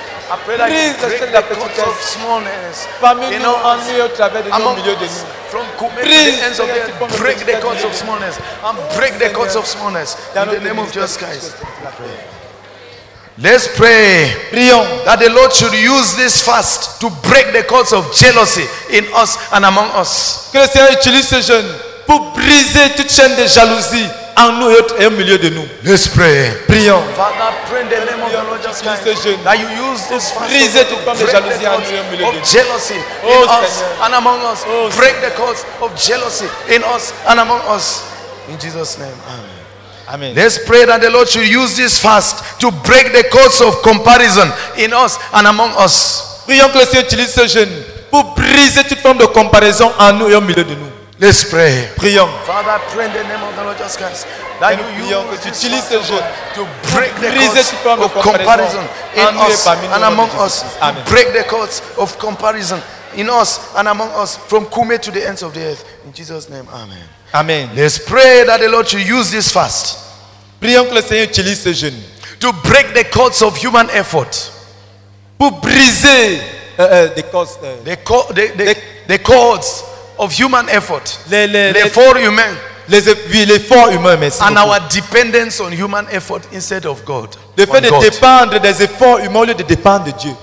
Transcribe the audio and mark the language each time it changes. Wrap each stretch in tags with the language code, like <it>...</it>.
<fr>Après la crise de la petite</fr> <en>of smallness,</en> <fr>parmi nous, en nous, au travers de nous, au milieu de nous,</fr> <en>from Kumé to the ends of the earth, break the cords of smallness. And break the cords of smallness. In the name of Jesus Christ. Let's pray.</en> <fr>Prions.</fr> <en>That the Lord should use this fast to break the cords of jealousy in us and among us.</en> <fr>Que le Seigneur utilise ce jeûne pour briser toute chaîne de jalousie en nous et au milieu de nous.</fr> <en>Let's pray.</en> <fr>Prions.</fr> <en>Father, pray in the name of the Lord Jesus Christ. That you use this fast</en> <fr>to briser toute chaîne de jalousie en nous et au milieu de nous.</fr> <en>Jealousy in us and among us. Break the cords of jealousy in us and among us. In Jesus' name. Amen. Amen. Let's pray that the Lord should use this fast to break the cords of comparison in us and among us.</en> <fr>Prions que le Seigneur utilise ce jeûne pour briser toute forme de comparaison en nous et au milieu de nous.</fr> <en>Let's pray.</en> <fr>Prions.</fr> <en>Father, pray in the name of the Lord Jesus Christ that you</en> <fr>utilise ce jeûne</fr> <en>to break the cords of comparison in us and among us. Amen. Break the cords of comparison in us and among us from Kumé to the ends of the earth. In Jesus' name, amen. Amen. Let's pray that the Lord should use this fast.</en> <fr>Prions que le Seigneur utilise ce jeûne</fr> <en>to break the cords of human effort.</en> <fr>Pour briser</fr> <en>the cords of human effort.</en> <fr>Les efforts humains.</fr> <en>And beaucoup. Our dependence on human effort instead of God.</en> <fr>Le fait de dépendre des efforts humains au lieu de dépendre de Dieu.</fr>